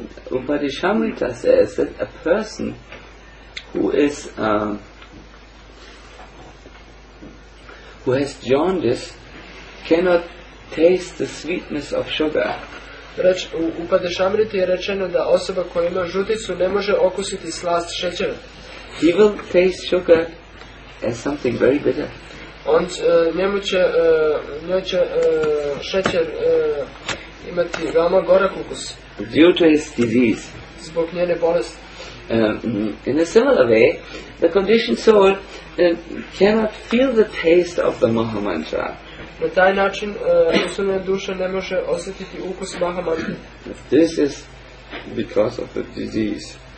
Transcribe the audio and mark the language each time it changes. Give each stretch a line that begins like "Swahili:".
English: Upadishamrita says that a person who is who has jaundice cannot taste the sweetness of sugar.
Serbian: U Padešamriti je rečeno da osoba koja ima žuticu ne može okusiti slast šećera.
English: He will taste sugar as something very bitter.
Serbian: on će, njemu će, njoj će šećer imati veoma gorak ukus.
English: Due to his disease.
Serbian: Zbog njene bolesti.
English: In a similar way, the conditioned soul cannot feel the taste of the Maha Mantra.
Serbian: Na taj način usunjena duša ne može osjetiti ukus Maha Mantra.
English: This is because of the disease.